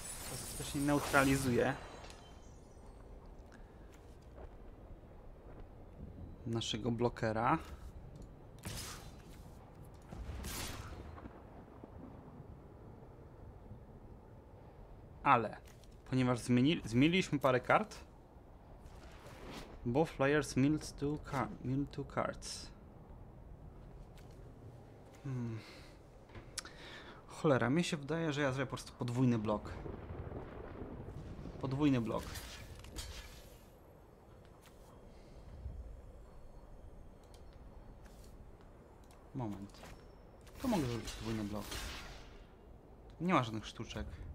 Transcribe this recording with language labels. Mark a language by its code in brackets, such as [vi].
[pl] To też nie neutralizuje naszego blokera. Ale ponieważ zmieniliśmy parę kart. [en] Both players mill two cards. [pl] Cholera, mi się wydaje, że ja zrobię po prostu podwójny blok. Podwójny blok. Moment. Tu mogę zrobić podwójny blok. Nie ma żadnych sztuczek.